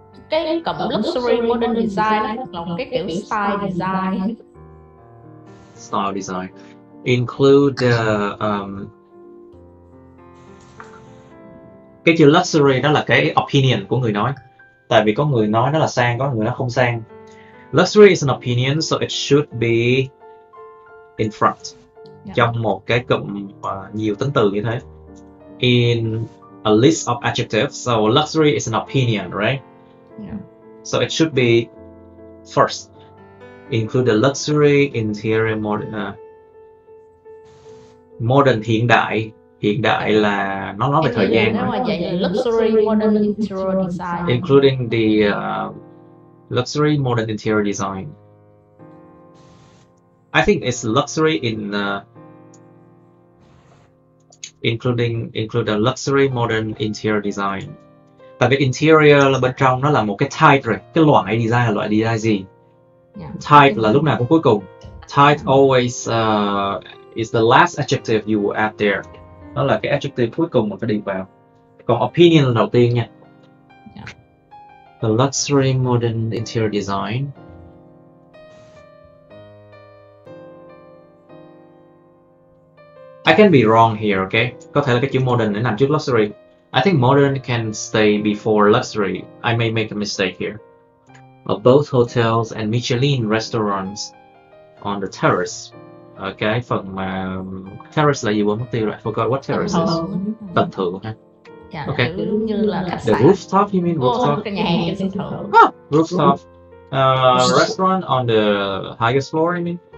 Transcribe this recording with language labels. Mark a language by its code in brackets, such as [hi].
[vi] Cái cổng luxury modern design là cái kiểu style design. [en] Style design include the [vi] cái chữ luxury đó là cái opinion của người nói. Tại vì có người nói nó là sang, có người nó không sang. [en] Luxury is an opinion, so it should be in front. Yeah. [vi] Trong một cái cụm nhiều tính từ như thế. [en] In a list of adjectives, so luxury is an opinion, right? Yeah. So it should be first. Include the luxury, interior, modern, [vi] hiện đại là nó nói về thời gian. Nếu mà vậy [en] luxury, modern, interior design. Including the luxury, modern, interior design. I think it's luxury in include a luxury modern interior design. [vi] Tại vì interior là bên trong, nó là một cái type rồi. Cái loại design là loại design gì? [en] Yeah. [vi] Type là lúc nào cũng cuối cùng. [en] Type always is the last adjective you will add there. [vi] Đó là cái adjective cuối cùng mà phải đi vào. Còn opinion là đầu tiên nha. [en] Yeah. The luxury modern interior design. I can be wrong here, okay? [vi] Có thể là cái chữ modern để nằm trước luxury. [en] I think modern can stay before luxury. I may make a mistake here. Of both hotels and Michelin restaurants on the terrace. [vi] Okay, phần mà terrace là gì quên mất tiêu rồi. [en] I forgot what terrace is. [vi] Tầng thượng, okay? [en] Yeah, okay. [vi] Như là khách sạn. [en] The rooftop, you mean rooftop? [vi] Cái nhà hàng trên thượng. [en] Rooftop. Restaurant on the highest floor, you mean?